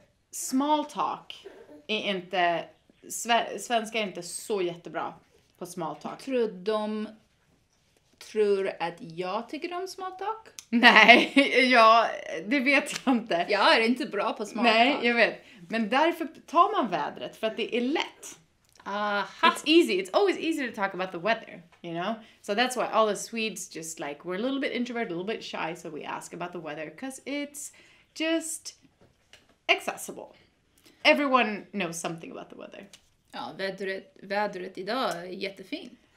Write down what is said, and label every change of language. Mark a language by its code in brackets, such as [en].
[sv] Small talk är inte, svenskar är inte så jättebra på small talk. Jag tror de... tror att jag tycker om small talk? Nej, ja, det vet jag inte. Jag är inte bra på small talk. Nej, jag vet. Men därför tar man vädret, för att det är lätt. Aha. [en] It's easy. It's always easier to talk about the weather, you know? So that's why all the Swedes just like, we're a little bit introvert, a little bit shy, so we ask about the weather, because it's just accessible. Everyone knows something about the weather. [sv] Ja, vädret idag är jättefin.